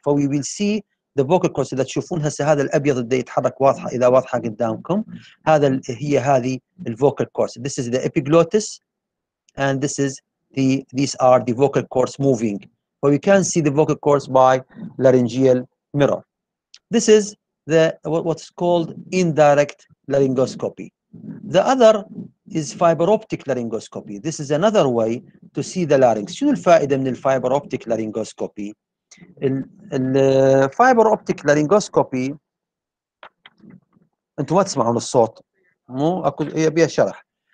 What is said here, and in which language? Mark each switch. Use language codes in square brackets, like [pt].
[ar] ف [en] we will see the vocal cords [ar] اللي تشوفونها هسه هذا الأبيض اللي يتحرك واضحة إذا واضحة قدامكم. هذا هي هذه ال vocal cords. [en] This is the epiglottis and this is the these are the vocal cords moving. But we can see the vocal cords by laryngeal mirror. This is the what's called indirect laryngoscopy. The other is fiber optic laryngoscopy. This is another way to see the larynx. [ar] شنو الفائدة من الفايبر اوبتيك لارينجوسكوبي؟ الفايبر اوبتيك لارينجوسكوبي انتم ما تسمعون الصوت مو اكو ابي شرح.